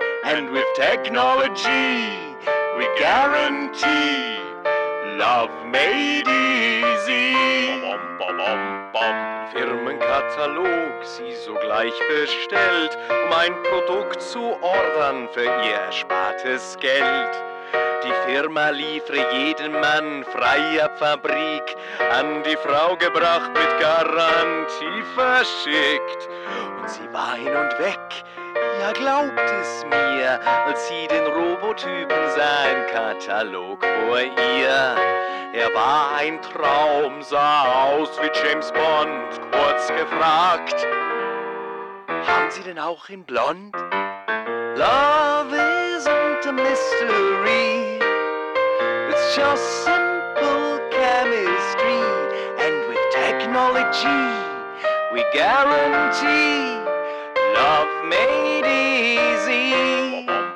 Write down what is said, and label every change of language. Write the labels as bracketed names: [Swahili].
[English] And with technology, we guarantee love made easy. Bom, bom, bom, bom, bom. [German] Firmenkatalog, sie sogleich bestellt, um ein Produkt zu ordern für ihr erspartes Geld. Die Firma liefre jeden Mann frei ab Fabrik, an die Frau gebracht, mit Garantie verschickt. Und sie war hin und weg, ja glaubt es mir, als sie den Robotypen sah im Katalog vor ihr. Er war ein Traum, sah aus wie James Bond. Kurz gefragt, haben Sie denn auch in Blond? [English] Love isn't a mystery, it's just simple chemistry. And with technology, we guarantee love made easy.